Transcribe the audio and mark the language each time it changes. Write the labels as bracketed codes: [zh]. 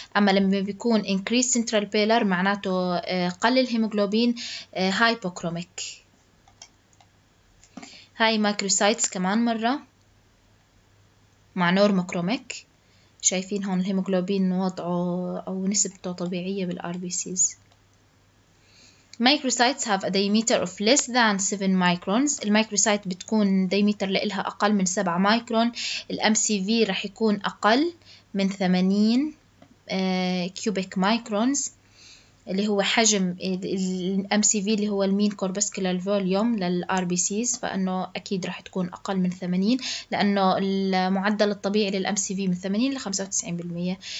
[ar] اما لما بيكون [en] increase central pillar [ar] معناته قل الهيموغلوبين هايبوكروميك. هاي مايكروسايتس كمان مرة مع نورموكروميك، شايفين هون الهيموغلوبين وضعه أو نسبته طبيعية بالRBCs. [en] Microcytes have a diameter of less than 7 microns. [ar] الميكروسايت بتكون ديميتر لإلها أقل من 7 مايكرون. الMCV رح يكون أقل من 80 كيوبيك مايكرونز اللي هو حجم الMCV اللي هو المين كوربسكولار فوليوم للRBCs، فأنه أكيد رح تكون أقل من 80 لأنه المعدل الطبيعي للMCV من 80 لـ95%.